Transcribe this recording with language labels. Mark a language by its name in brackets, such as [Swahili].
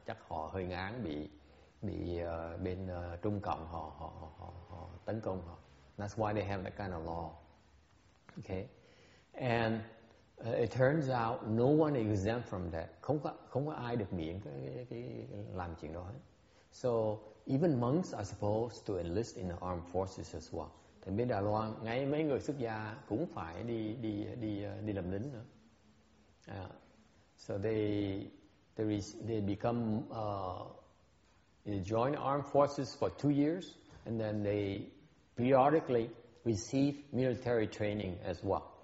[Vietnamese] Chắc họ hơi ngán bị bên Trung Cộng họ tấn công họ. [English] That's why they have that kind of law. Okay. And it turns out no one is exempt from that. [Vietnamese] Không có ai được miễn cái làm chuyện đó hết. [English] So even monks are supposed to enlist in the armed forces as well. [Vietnamese] Thì bên Đài Loan ngay mấy người xuất gia cũng phải đi làm lính nữa. [English] So they become they join armed forces for 2 years, and then they periodically receive military training as well.